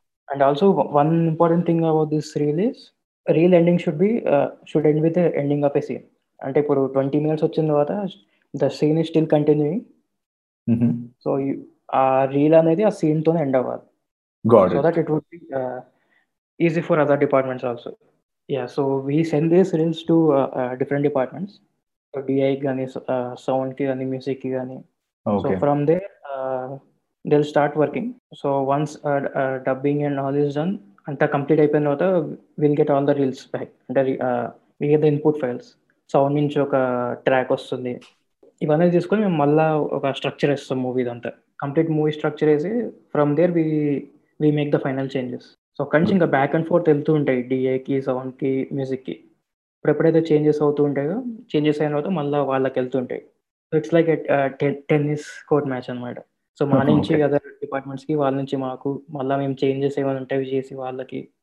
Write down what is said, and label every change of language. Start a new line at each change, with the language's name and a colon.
English: And also one important thing about this reel is reel ending should end with ending of a scene.
Telugu: అంటే ఇప్పుడు 20 minutes వచ్చిన తర్వాత
English: The scene is still continuing.
Telugu: So ఆ reel అనేది ఆ సీన్తో end అవ్వాలి.
English: Got it. So that it would be easy for other departments also. Yeah, so we send these reels to different departments.
Telugu: So DI gani, sound ki gani, music ki gani.
English: Okay. So from there, they'll start working. So once dubbing and all is done,
Telugu: anta complete aipoyina tarvata,
English: we'll get all the reels back. We get the input files.
Telugu: Sound inch oka track vastundi. ఇవన్నీ తీసుకొని మేము మళ్ళా ఒక structure వేస్తాం movie అంతా complete movie structure వేసి
English: from there we make the final changes
Telugu: so అక్కడి నుంచి ఇంకా బ్యాక్ అండ్ ఫోర్త్ వెళ్తూ ఉంటాయి డిఏకి సౌండ్కి మ్యూజిక్కి ఇప్పుడు ఎప్పుడైతే చేంజెస్ అవుతూ ఉంటాయో చేంజెస్ అయిన తర్వాత మళ్ళీ వాళ్ళకి వెళ్తూ ఉంటాయి
English: so it's like tennis court match
Telugu: అనమాట సో మా నుంచి అదర్ డిపార్ట్మెంట్స్కి వాళ్ళ నుంచి మాకు మళ్ళీ మేము చేంజెస్ ఏమైనా ఉంటాయి చేసి వాళ్ళకి